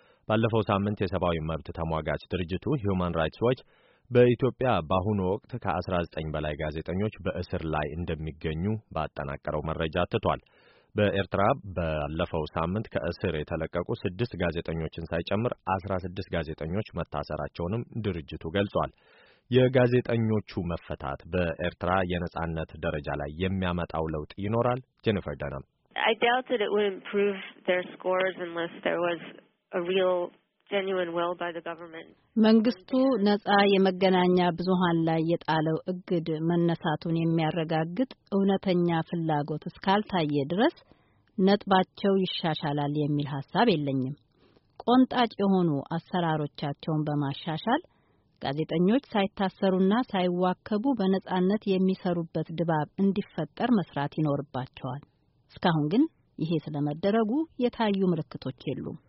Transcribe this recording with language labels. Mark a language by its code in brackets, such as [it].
[am] ባለፈው ሳምንት የሰብአዊ መብት ተሟጋች ድርጅቱ Human Rights Watch በኢትዮጵያ በአሁኑ ወቅት ከ19 በላይ ጋዜጠኞች በእስር ላይ እንደሚገኙ ባጠናቀረው መረጃ አትቷል። በኤርትራ ባለፈው ሳምንት ከእስር የተለቀቁ 6 ጋዜጠኞችን ሳይጨምር 16 ጋዜጠኞች መታሰራቸውንም ድርጅቱ ገልጿል። የጋዜጠኞቹ መፈታት በኤርትራ የነጻነት ደረጃ ላይ የሚያመጣው ለውጥ ይኖራል? ጄኒፈር ዳናም [en] I doubt that it would improve their scores unless there was a real genuine will by the government. [am] መንግስቱ ነጻ የመገናኛ ብዙሃን ላይ የጣለው እግድ መነሳቱን የሚያረጋግጥ እውነተኛ ፍላጎት እስካልታየ ድረስ ነጥባቸው ይሻሻላል የሚል ሐሳብ የለኝም። ቆንጣጭ የሆኑ አሰራሮቻቸውን በማሻሻል ጋዜጠኞች ሳይታሰሩና ሳይዋከቡ በነጻነት የሚሰሩበት ድባብ እንዲፈጠር መስራት ይኖርባቸዋል። እስካሁን ግን ይሄ ስለመደረጉ የታዩ ምልክቶች የሉም።